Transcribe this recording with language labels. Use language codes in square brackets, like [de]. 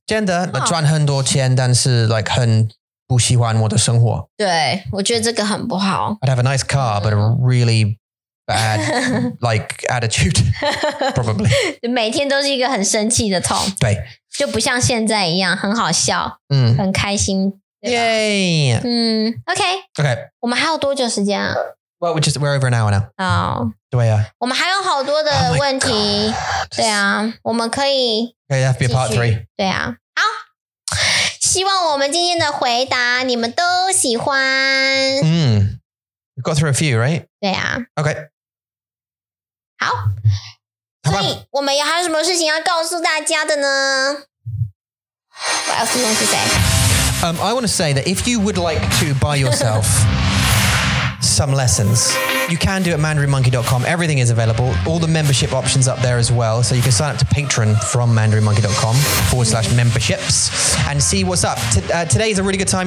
[zh] 真的，赚很多钱，但是 like 很不喜欢我的生活。对，我觉得这个很不好。 [en] I'd have a nice car, but a really bad like attitude, probably. [zh] 每天都是一个很生气的 Tom。对，就不像现在一样很好笑，很开心。 Yay! Okay. 我们还有多久时间啊？ [en] Well, we're over an hour now. Oh. [zh] 对啊。我们还有好多的问题。对啊，我们可以。 [en] Okay, that'd be a part three. [zh] 对啊。好。希望我们今天的回答你们都喜欢。 [en] We got through a few, right? [zh] 对啊。 [en] Okay. [zh] 好。所以我们还有什么事情要告诉大家的呢? [en] What else do you want to say? I want to say that if you would like to buy yourself... some lessons. You can do it at mandarinmonkey.com. Everything is available. All the membership options up there as well. So you can sign up to Patreon from mandarinmonkey.com/memberships and see what's up. Today is a really good time.